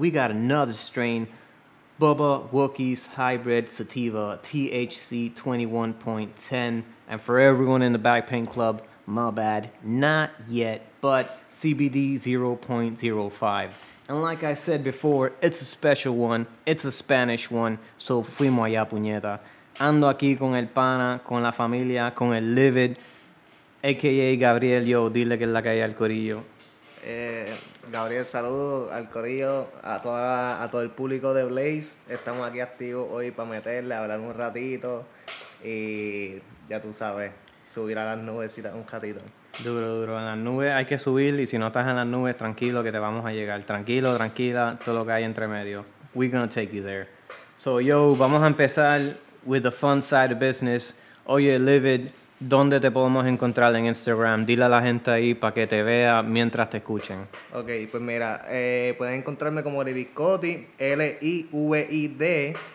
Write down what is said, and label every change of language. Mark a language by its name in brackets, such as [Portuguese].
[English] We got another strain. Bubba Wookiee's Hybrid Sativa, THC 21.10. And for everyone in the back pain club, my bad. Not yet, but CBD 0.05. And like I said before, it's a special one. It's a Spanish one. So [Spanish] fuimos allá, puñeta. Ando aquí con el pana, con la familia, con el Livid. A.K.A. Gabriel, yo, dile que es la que hay al corillo. Gabriel, saludo al corillo, a todo el público de Blaze. Estamos aquí activos hoy para meterle, hablar un ratito. Y ya tú sabes, subir a las nubes un ratito. Duro, duro. En las nubes hay que subir. Y si no estás en las nubes, tranquilo que te vamos a llegar. Tranquilo, tranquila, todo lo que hay entre medio. [English] We're gonna take you there. So, yo, [Spanish] vamos a empezar [English] with the fun side of business. [Spanish] Oye, Livid, ¿dónde te podemos encontrar en Instagram? Dile a la gente ahí para que te vea mientras te escuchen. Ok, pues mira, pueden encontrarme como Livid Cotty, LIVIDCOTTY.